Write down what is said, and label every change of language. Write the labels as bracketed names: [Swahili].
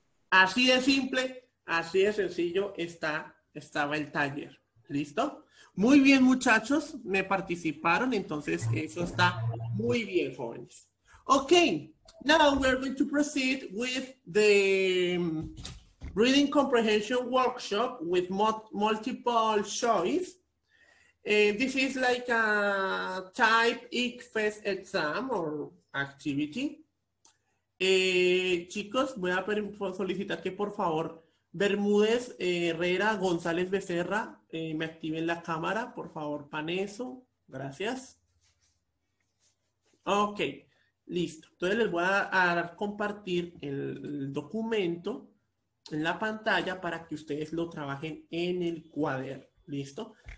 [Spanish] Así de simple, así de sencillo estaba el taller. ¿Listo? Muy bien, muchachos, me participaron, entonces eso está muy bien, jóvenes. [English] Okay, now we're going to proceed with the reading comprehension workshop with multiple choice. This is like a type ICFES exam or activity. [Spanish] Chicos, voy a solicitar que por favor Bermúdez, Herrera, González Becerra, me activen la cámara, por favor, Paneso. Gracias. Ok, listo. Entonces les voy a compartir el documento en la pantalla para que ustedes lo trabajen en el cuaderno. ¿Listo?